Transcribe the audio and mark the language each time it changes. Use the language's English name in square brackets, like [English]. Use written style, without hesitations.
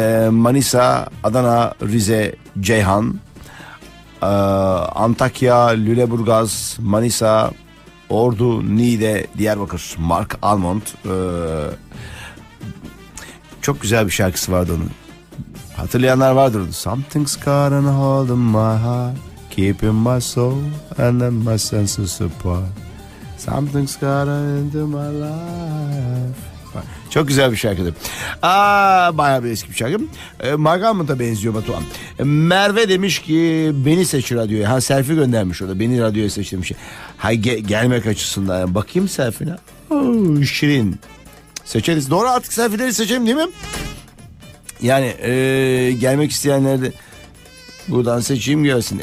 [Turkish] Manisa, Adana, Rize, Ceyhan. Antakya, Lüleburgaz, Manisa, Ordu, Niğde, Diyarbakır. Mark Almond. Çok güzel bir şarkısı vardı onun. Hatırlayanlar vardır. [English] Something's got a hold on my heart, keeping my soul and then my senses apart. Something's got a hold on my life. [Turkish] Çok güzel bir şarkıydı. Bayağı bir eski bir şarkı. Mark Almond'a benziyor Batuhan. Merve demiş ki beni seç radyoya. Ha, selfie göndermiş orada. Beni radyoya seç demiş. Ha, gelmek açısından. Yani bakayım selfie'ne. Şirin. Seçeriz. Doğru, artık selfie'leri seçelim değil mi? Yani gelmek isteyenler de buradan seçeyim gelsin.